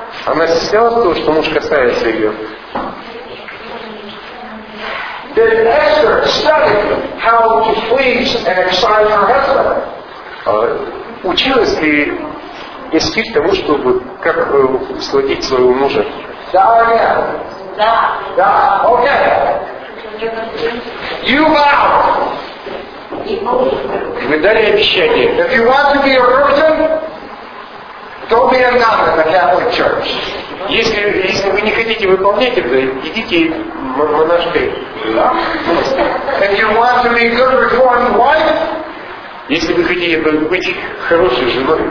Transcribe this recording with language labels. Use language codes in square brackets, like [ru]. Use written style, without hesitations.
[ru] Она стеснялась того, что муж касается ее. [en] Did Esther study how to please and excite her husband? [ru] Училась ли Эстер тому, чтобы как сладить своего мужа? Да, да, да. Да. [en] Окей. You vow. [ru] Вы дали обещание. [en] If you want to be a virgin, don't be a nun in the Catholic Church. [ru] Если вы не хотите выполнять это, идите монашкой. [en] If you want to be a good reformed wife, [ru] Если вы хотите быть хорошей женой,